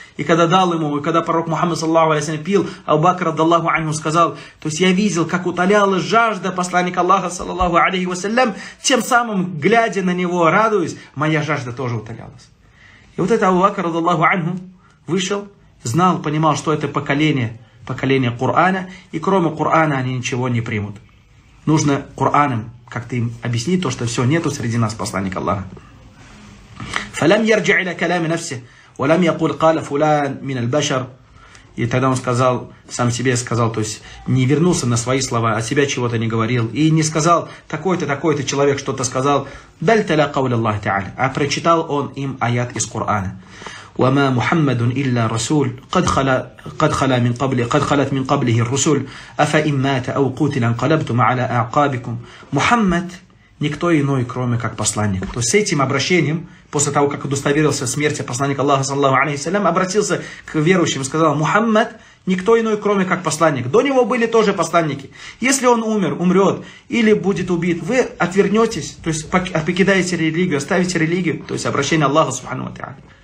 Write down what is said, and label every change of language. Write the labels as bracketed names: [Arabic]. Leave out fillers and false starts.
[Russian] И когда дал ему, и когда пророк Мухаммад, саллаллаху алейхи ва саллям, пил, Абу Бакр, радиаллаху анху, сказал, то есть я видел, как утоляла жажда посланника Аллаха, саллаллаху алейхи ва саллям, тем самым, глядя на него, радуясь, моя жажда тоже утолялась. И вот это Абу Бакр, радиаллаху анху, вышел, знал, понимал, что это поколение, поколение Кур'ана, и кроме Кур'ана они ничего не примут. Нужно Кур'аном как-то им объяснить то, что все, нету среди нас посланника Аллаха. [Arabic] فلم يرجع الى كلام نفسه ولم يقول قال فلان من البشر. [Russian] И тогда он сказал, сам себе сказал, то есть не вернулся на свои слова, о себя чего-то не говорил и не сказал такой-то, такой-то человек что-то сказал. [Arabic] بل تلا قول الله تعالى. [Russian] А прочитал он им аят из Корана. [Arabic] وما محمد إلا رسول قد خلت من قبله الرسل أفإن مات أو قتل انقلبتم على أعقابكم. [Russian] محمد никто иной, кроме как посланник. То есть с этим обращением, после того, как удостоверился в смерти посланника Аллаха, саллаллаху алейхи ва саллям, обратился к верующим и сказал: «Мухаммад, никто иной, кроме как посланник». До него были тоже посланники. Если он умрет или будет убит, вы отвернетесь, то есть покидаете религию, оставите религию, то есть обращение Аллаха, субхану ва тааля.